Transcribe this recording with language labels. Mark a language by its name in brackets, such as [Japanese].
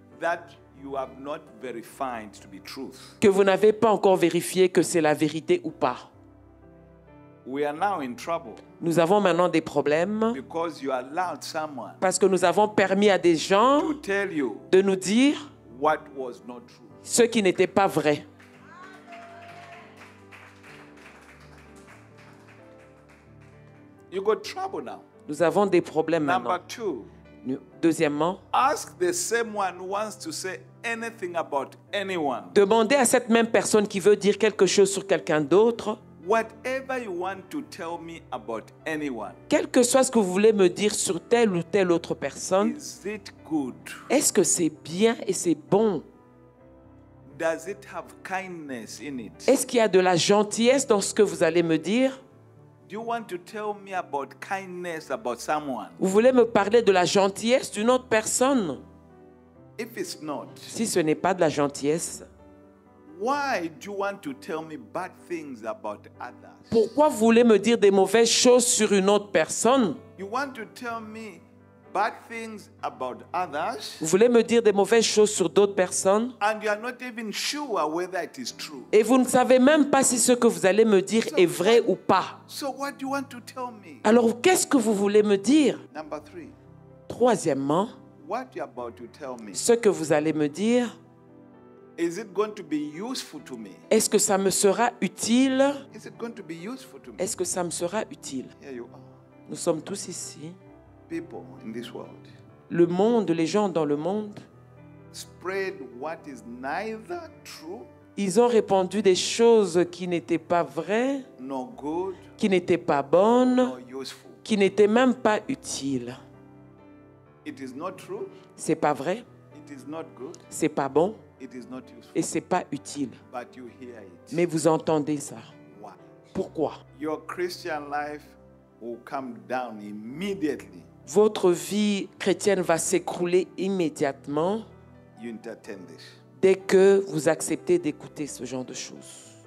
[English] That you have not verified to be truth. [French] Que vous n'avez pas encore vérifié que c'est la vérité ou pas. [English] We are now in trouble. [French] Nous avons maintenant des problèmes [English] because you allowed someone [French] parce que nous avons permis à des gens [English] to tell you [French] de nous dire [English] what was not true. [French] Ce qui n'était pas vrai. [English] You got trouble now. [French] Nous avons des problèmes maintenant. Deuxièmement, [English] ask the same one who wants to say anything about anyone. [French] Demandez à cette même personne qui veut dire quelque chose sur quelqu'un d'autre. [English] Whatever you want to tell me about anyone. [French] Quel que soit ce que vous voulez me dire sur telle ou telle autre personne. [English] Is it good? [French] Est-ce que c'est bien et c'est bon? [English] Does it have kindness in it? [French] Est-ce qu'il y a de la gentillesse dans ce que vous allez me dire? [English] Do you want to tell me about kindness about someone? [French] Vous voulez me parler de la gentillesse d'une autre personne? [English] If it's not. [French] Si ce n'est pas de la gentillesse. [English] Why do you want to tell me bad things about others? [French] Pourquoi vous voulez me dire des mauvaises choses sur une autre personne? [English] You want to tell me bad things about others? [French] Vous voulez me dire des mauvaises choses sur d'autres personnes? [English] And you are not even sure whether it is true. [French] Et vous ne savez même pas si ce que vous allez me dire est vrai ou pas. [English] So what do you want to tell me? [French] Alors qu'est-ce que vous voulez me dire? [English] Number three. [French] Troisièmement, [English] what you are about to tell me? [French] Ce que vous allez me dire. [English] Is it going to be useful to me? [French] Est-ce que ça me sera utile? [English] Is it going to be useful to me? [French] Est-ce que ça me sera utile? [English] Here you are. [French] Nous sommes tous ici. [English] People in this world. [French] Le monde, les gens dans le monde. [English] Spread what is neither true. [French] Ils ont répandu des choses qui n'étaient pas vraies. [English] Nor good. [French] Qui n'étaient pas bonnes. [English] Nor useful. [French] Qui n'étaient même pas utiles. [English] It is not true. [French] C'est pas vrai. [English] It is not good. [French] C'est pas bon. [English] It is not useful. [French] Et ce n'est pas utile. [English] But you hear it. [French] Mais vous entendez ça. [English] Why? [French] Pourquoi? [English] Your Christian life will come down immediately. [French] Votre vie chrétienne va s'écrouler immédiatement [English] you entertain this. [French] Dès que vous acceptez d'écouter ce genre de choses.